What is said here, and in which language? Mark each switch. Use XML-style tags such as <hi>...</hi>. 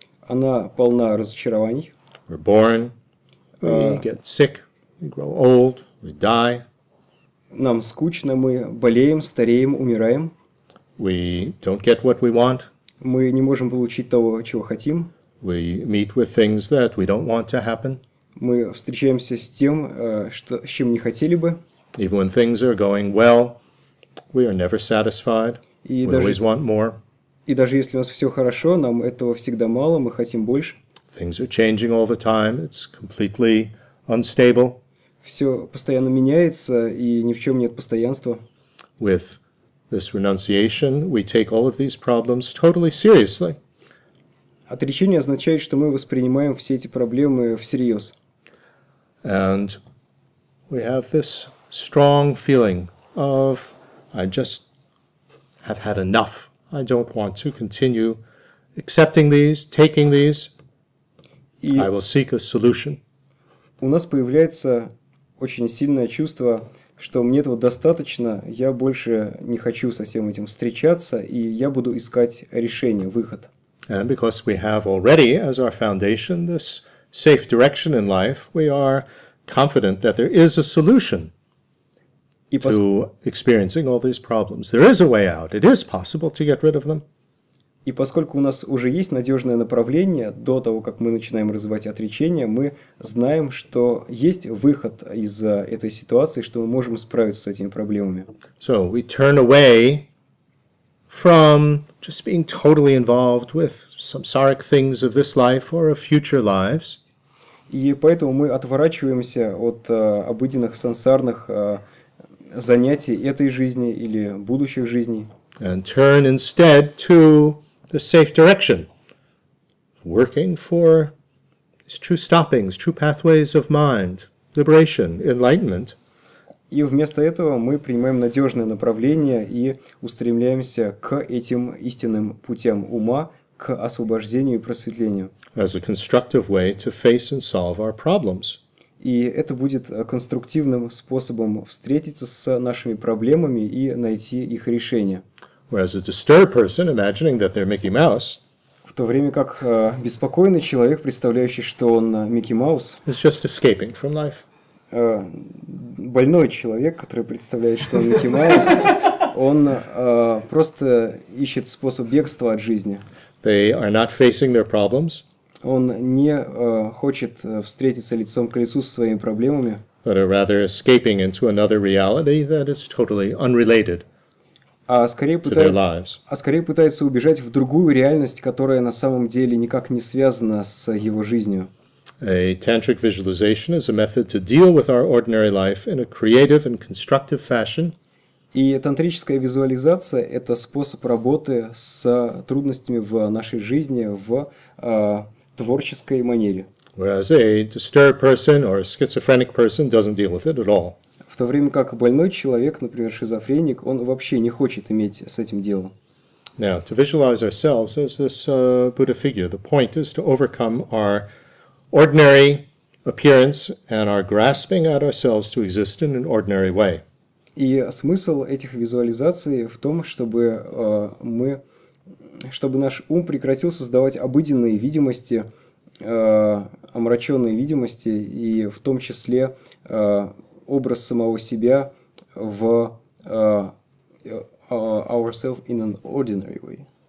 <ru>Она полна разочарований.</ru> <en>We're born. We get sick. We grow old. We die.</en> <ru>Нам скучно, мы болеем, стареем, умираем.</ru> <en>We don't get what we want.</en> <ru>Мы не можем получить того, чего хотим.</ru> <en>We meet with things that we don't want to happen.</en> <ru>Мы встречаемся с тем, с чем не хотели бы.</ru> <en>Even when things are going well, we are never satisfied. Always want more.</en> <ru>И даже если у нас все хорошо, нам этого всегда мало, мы хотим больше.</ru> <en>Things are changing all the time. It's completely unstable.</en> <ru>Все постоянно меняется, и ни в чем нет постоянства.</ru> <en>With this renunciation, we take all of these problems totally seriously.</en> <ru>Отречение означает, что мы воспринимаем все эти проблемы всерьез.</ru> <en>And we have this strong feeling of I just have had enough. I don't want to continue accepting these, taking these. И I will seek a solution.</en> <ru>У нас появляется очень сильное чувство, что мне этого достаточно, я больше не хочу со всем этим встречаться, и я буду искать решение, выход.</ru> <en>And because we have already as our foundation this safe direction in life, we are confident that there is a solution to experiencing all these problems. There is a way out. It is possible to get rid of them.</en> <ru>И поскольку у нас уже есть надежное направление до того, как мы начинаем развивать отречение, мы знаем, что есть выход из этой ситуации, что мы можем справиться с этими проблемами.</ru> <en>So we turn away from just being totally involved with samsaric things of this life or of future lives.</en> <ru>И поэтому мы отворачиваемся от обыденных сансарных занятий этой жизни или будущих жизней.</ru> <en>And turn instead to the safe direction, working for these true stoppings, true pathways of mind, liberation, enlightenment.</en> <ru>И вместо этого мы принимаем надежное направление и устремляемся к этим истинным путям ума, к освобождению и просветлению.</ru> <en>As a constructive way to face and solve our problems.</en> <ru>И это будет конструктивным способом встретиться с нашими проблемами и найти их решение.</ru> <en>Whereas a disturbed person, imagining that they're Mickey Mouse,</en> <ru>в то время как беспокойный человек, представляющий, что он Микки Маус,</ru> <en>is just escaping from life.</en> <ru>Больной человек, который представляет, что он Микки Маус, он просто ищет способ бегства от жизни.</ru> <en>They are not facing their problems.</en> <ru>Он не хочет встретиться лицом к лицу со своими проблемами.</ru> <en>But are rather escaping into another reality that is totally unrelated.</en> <ru>Скорее пытается убежать в другую реальность, которая на самом деле никак не связана с его жизнью.</ru> <en>A tantric visualization is a method to deal with our ordinary life in a creative and constructive fashion.</en> <ru>И тантрическая визуализация – это способ работы с трудностями в нашей жизни в творческой манере.</ru> <en>Whereas a disturbed person or a schizophrenic person doesn't deal with it at all.</en> <ru>В то время как больной человек, например, шизофреник, он вообще не хочет иметь с этим дело.</ru> <en>Now, to visualize ourselves as this Buddha figure, the point is to overcome our ordinary appearance and our grasping at ourselves to exist in an ordinary way.</en> <ru>И смысл этих визуализаций в том, чтобы чтобы наш ум прекратил создавать обыденные видимости, омраченные видимости, и в том числе образ самого себя в</ru> <en>ourself in an ordinary way.</en>